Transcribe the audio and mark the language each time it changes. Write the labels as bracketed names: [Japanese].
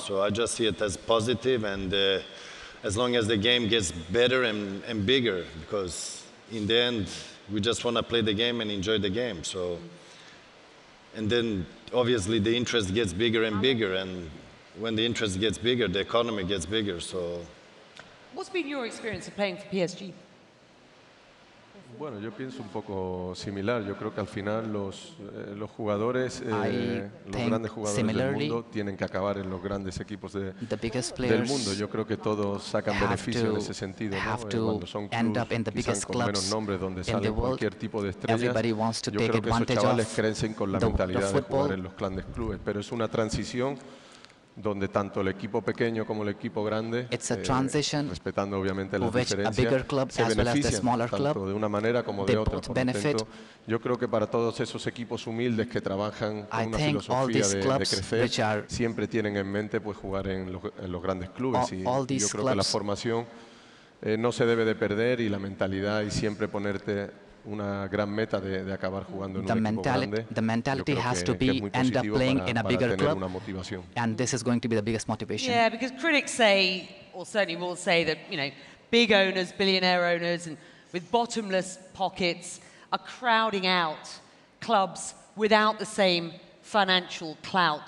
[English] So I just see it as positive, and as long as the game gets better and bigger, because in the end we just want to play the game and enjoy the game. So, and then obviously the interest gets bigger and bigger, and when the interest gets bigger, the economy gets bigger, so. What's been your experience of playing for PSG? [Spanish] Bueno, yo pienso un poco similar. Yo creo que al final los jugadores, los grandes jugadores del mundo, tienen que acabar en los grandes equipos del mundo. Yo creo que todos sacan beneficio en ese sentido, ¿no? Cuando son clubes con menos nombres, donde sale cualquier tipo de estrella, yo creo que esos chavales crecen con la mentalidad de jugar en los grandes clubes. Pero es una transición donde tanto el equipo pequeño como el equipo grande, respetando obviamente las diferencias, club, se benefician [English] well club, [Spanish] tanto de una manera como de otra. Yo creo que para todos esos equipos humildes que trabajan con una filosofía de crecer, siempre tienen en mente pues jugar en los grandes clubes. Y yo creo que la formación no se debe de perder, y la mentalidad, y siempre ponerte una gran meta de acabar jugando en un equipo grande. [English] The mentality has to be end up playing in a bigger club, and this is going to be the biggest motivation. Yeah, because critics say, or certainly will say, that you know, big owners, billionaire owners, and with bottomless pockets, are crowding out clubs without the same financial clout.